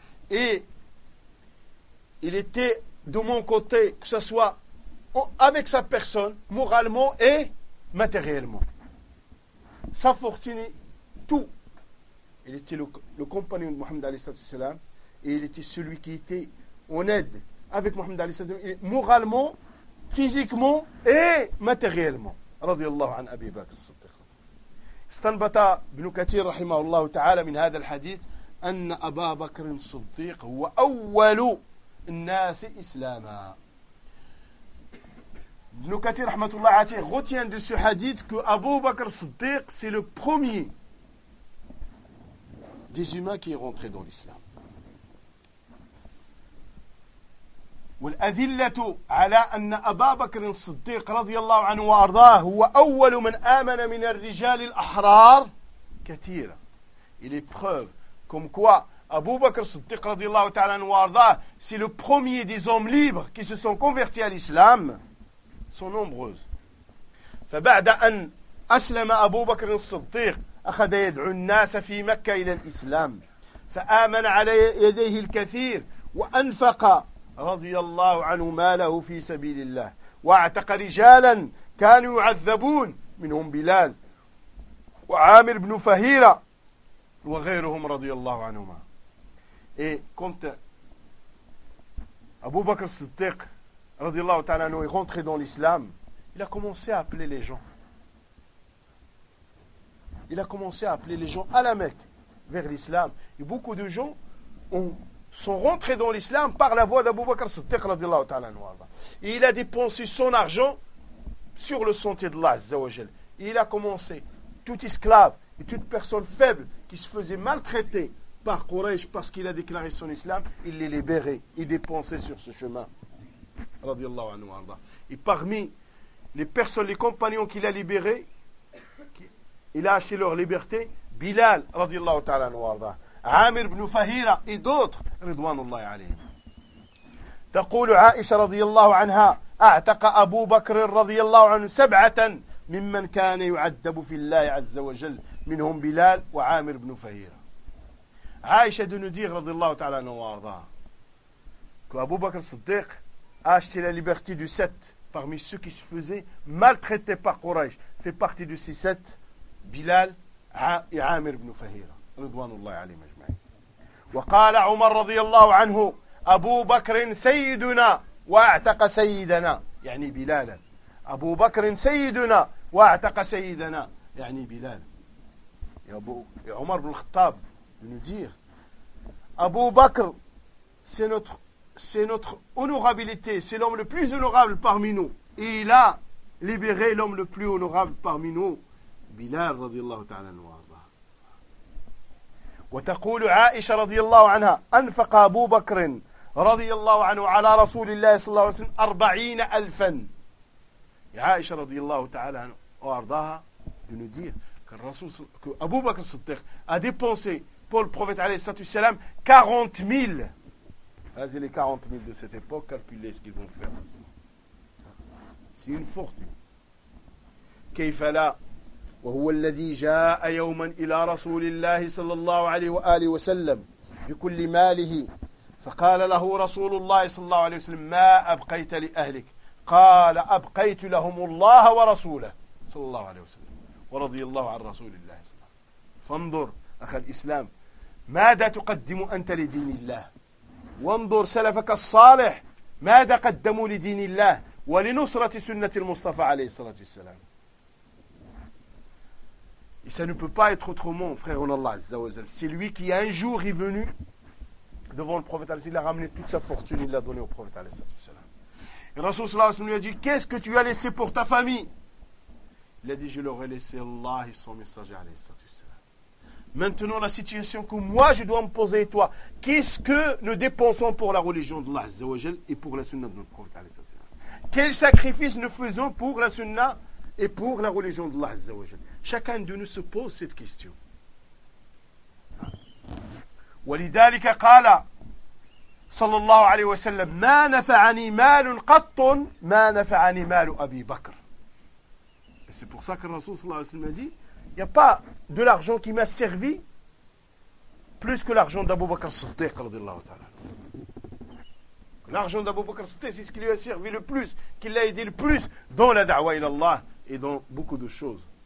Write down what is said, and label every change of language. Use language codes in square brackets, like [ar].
[fr] Et il était de mon côté, que ce soit avec sa personne, moralement et matériellement. sa fortune, tout. Il était le compagnon de Mohammed Ali Sallallahu Alaihi Wasallam et il était celui qui était en aide avec Mohammed Ali Sallallahu Alaihi Wasallam, moralement, physiquement et matériellement. [ar] Radiallahu an Abi Bakr as-Siddiq. استنبط ابن كثير رحمه الله تعالى من هذا الحديث أن أبا بكر الصديق هو أول الناس إسلاما. [fr] ابن كثير رحمه الله عليه retient de ce hadith que Abu Bakr Siddiq c'est le premier des humains qui est rentré dans l'islam. [ar] والأذلة على أن أبا بكر الصديق رضي الله عنه وأرضاه هو أول من آمن من الرجال الأحرار كثيرة. [fr] Il est preuve comme quoi Abu Bakr الصديق [ar] رضي الله تعالى عنه وأرضاه [fr] c'est le premier des hommes libres qui se sont convertis à l'islam sont nombreuses. [ar] فبعد أن أسلم أبو بكر الصديق أخذ يدعو الناس في مكة إلى الإسلام فآمن على يديه الكثير وأنفق رضي الله عنه ماله في سبيل الله واعتق رجالا كانوا يعذبون منهم بلال وعامر بن فهيرة وغيرهم رضي الله عنهما. [fr] Et quand Abu Bakr Siddiq رضي الله تعالى عنه est rentré dans l'islam, il a commencé à appeler les gens. Il a commencé à appeler les gens à la Mecque vers l'islam. Et beaucoup de gens sont rentrés dans l'islam par la voie d'Abu Bakr Siddiq radiallahu ta'ala anhu. Et il a dépensé son argent sur le sentier de Allah Azza wa Jal. Et il a commencé, tout esclave et toute personne faible qui se faisait maltraiter par Quraysh parce qu'il a déclaré son islam, il les libérait, il dépensait sur ce chemin radiallahu anhu. Et parmi les personnes, les compagnons qu'il a libérés, il a acheté leur liberté, Bilal radiallahu ta'ala anhu. [ar] عامر بن فهيرة إدوتر رضوان الله عليه. تقول عائشة رضي الله عنها أعتق أبو بكر رضي الله عنه سبعة ممن كان يعذب في الله عز وجل منهم بلال وعامر بن فهيرة. عائشة دنودير رضي الله تعالى عنه وارضاه أبو بكر الصديق أشتري [fr] la liberté du sept parmi ceux qui se faisaient maltraiter par Quraysh fait partie de ces sept [ar] بلال عامر بن فهيرة رضوان الله عليهم أجمعين. وقال عمر رضي الله عنه أبو بكر سيدنا واعتق سيدنا يعني بلالا. أبو بكر سيدنا واعتق سيدنا يعني بلالا. [fr] يا عمر بن الخطاب ندير أبو بكر c'est notre honorabilité, c'est l'homme le plus honorable parmi nous. Il a libéré l'homme le plus honorable parmi nous بلال رضي الله تعالى عنه. [ar] وتقول عائشة رضي الله عنها أنفق أبو بكر رضي الله عنه على رسول الله صلى الله عليه وسلم 40,000. عائشة رضي الله تعالى عنه وأرضاها تنذير الرسول أبو بكر الصديق [fr] a dépensé pour le prophète [ar] عليه الصلاة والسلام 40,000. [fr] هذه les 40,000 de cette époque, calculez ce qu'ils vont faire. C'est une fortune. [ar] كيف لا؟ وهو الذي جاء يوما إلى رسول الله صلى الله عليه وآله وسلم بكل ماله فقال له رسول الله صلى الله عليه وسلم ما أبقيت لأهلك؟ قال أبقيت لهم الله ورسوله صلى الله عليه وسلم ورضي الله عن رسول الله صلى الله عليه وسلم. فانظر أخ الإسلام ماذا تقدم أنت لدين الله؟ وانظر سلفك الصالح ماذا قدموا لدين الله ولنصرة سنة المصطفى عليه الصلاة والسلام. [fr] Et ça ne peut pas être autrement, frère en Allah, Azza wa Jal. C'est lui qui, un jour, est venu devant le prophète. Il a ramené toute sa fortune, il l'a donné au prophète. Et le Rasoul lui a dit, qu'est-ce que tu as laissé pour ta famille? Il a dit, je leur ai laissé Allah et son messager. Maintenant, la situation que moi, je dois me poser et toi, qu'est-ce que nous dépensons pour la religion d'Allah, Azza wa Jal, et pour la sunna de notre prophète? Quel sacrifice nous faisons pour la sunna et pour la religion d'Allah, Azza wa Jal? Chacun de nous se pose cette question. [ar] ولذلك قال صلى الله عليه وسلم ما نفعني مال قط ما نفعني مال أبي بكر. [fr] Et c'est pour ça que le Rasoul صلى الله عليه وسلم a dit, il n'y a pas de l'argent qui m'a servi plus que l'argent d'Abu Bakr Siddiq رضي الله تعالى. L'argent d'Abu Bakr Siddiq, c'est ce qui lui a servi le plus, qui l'a aidé le plus dans la da'wa ila Allah et dans beaucoup de choses.